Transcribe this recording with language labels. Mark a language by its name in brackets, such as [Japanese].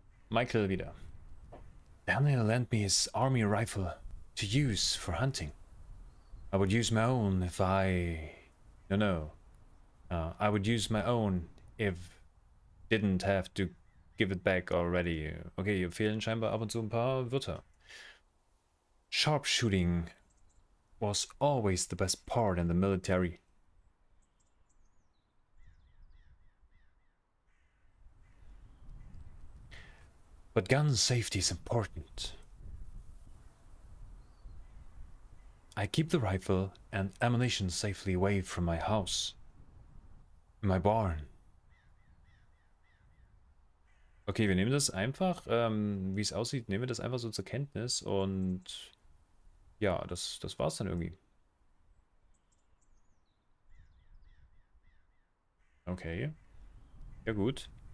[English] Michael wieder. Daniel lent me his army rifle to use for hunting. I would use my own if I... No, no. I would use my own if didn't have to give it back already. [German] Okay, hier fehlen scheinbar ab und zu ein paar Wörter. [English] Sharpshooting was always the best part in the military. But gun safety is important. I keep the rifle and ammunition safely away from my house. My barn. [German] Okay, wir nehmen das einfach, wie es aussieht, nehmen wir das einfach so zur Kenntnis und ja, das war's dann irgendwie. Okay. Ja, gut.